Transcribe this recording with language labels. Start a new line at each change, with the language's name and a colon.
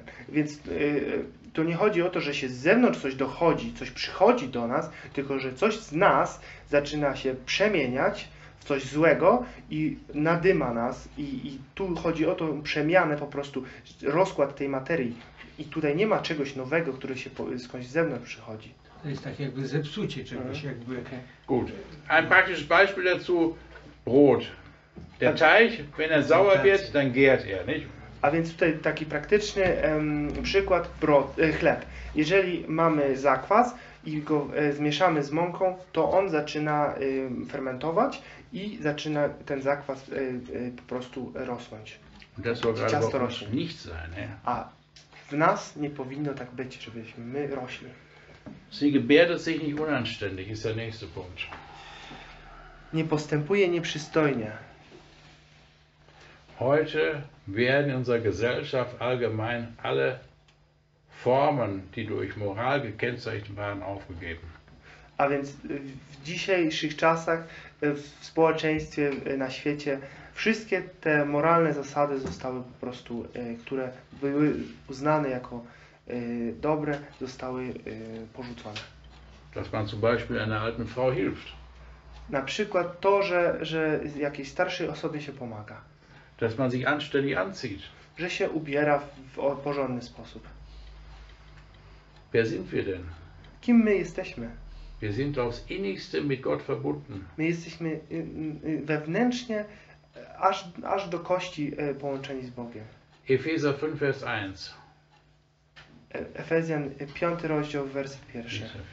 Polish: Więc to nie chodzi o to, że się z zewnątrz coś dochodzi, coś przychodzi do nas, tylko że coś z nas zaczyna się przemieniać w coś złego i nadyma nas. I tu chodzi o tą przemianę, po prostu rozkład tej materii. I tutaj nie ma czegoś nowego, które się skądś z zewnątrz przychodzi. To jest tak jakby zepsucie czegoś, jakby...
German: Gut. Ein praktisches Beispiel dazu, Brot. Der Teig, wenn sauer wird, dann gärt nicht?
Polish: A więc tutaj taki praktyczny przykład, chleb. Jeżeli mamy zakwas i go zmieszamy z mąką, to on zaczyna fermentować i zaczyna ten zakwas po prostu rosnąć. Ciasto rośnie.
German: Nicht sein,
Polish: nie? A w nas nie powinno tak być, żebyśmy my rośli.
German: Sie gebärdet sich nicht unanständig, ist der nächste Punkt.
Polish: Nie postępuje nieprzystojnie.
German: Heute werden in unserer Gesellschaft allgemein alle Formen, die durch Moral gekennzeichnet waren, aufgegeben.
Polish: A więc w dzisiejszych czasach, w społeczeństwie, na świecie, wszystkie te moralne zasady zostały po prostu, które były uznane jako dobre, zostały porzucone.
German: Dass man zum Beispiel einer alten Frau hilft.
Polish: Na przykład to, że jakiejś starszej osobie się pomaga.
German: Dass man sich anständig anzieht.
Polish: Że się ubiera w porządny sposób.
German: Wer sind wir denn?
Polish: Kim my jesteśmy?
German: Wir sind aufs innigste mit Gott verbunden.
Polish: My jesteśmy wewnętrznie aż do kości połączeni z Bogiem. Efezjan 5, vers 1. Efezjan 5, rozdział, werset 1.